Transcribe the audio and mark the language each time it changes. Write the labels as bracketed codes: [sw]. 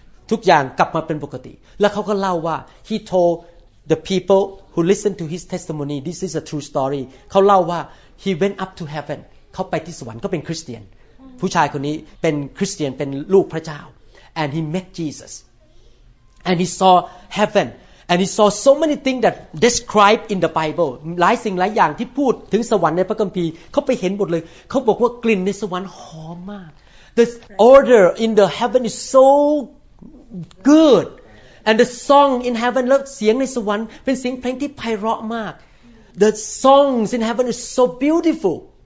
[th] ทุกอย่างกลับมาเป็นปกติแล้วเขาก็เล่าว่า [en] He told the people who listened to his testimony. This is a true story. [th] เขาเล่าว่า [en] He went up to heaven. [th] เขาไปที่สวรรค์ก็เป็นคริสเตียนผู้ชายคนนี้เป็นคริสเตียนเป็นลูกพระเจ้า [en] And he met Jesus. And he saw heaven. And he saw so many things that described in the Bible. [th] หลายสิ่งหลายอย่างที่พูดถึงสวรรค์ในพระคัมภีร์เขาไปเห็นหมดเลยเขาบอกว่ากลิ่นในสวรรค์หอมมาก [en] The odor in the heaven is so good. And the song in heaven, [th] เสียงในสวรรค์เป็นเสียงเพลงที่ไพเราะมาก [en] The songs in heaven is so beautiful.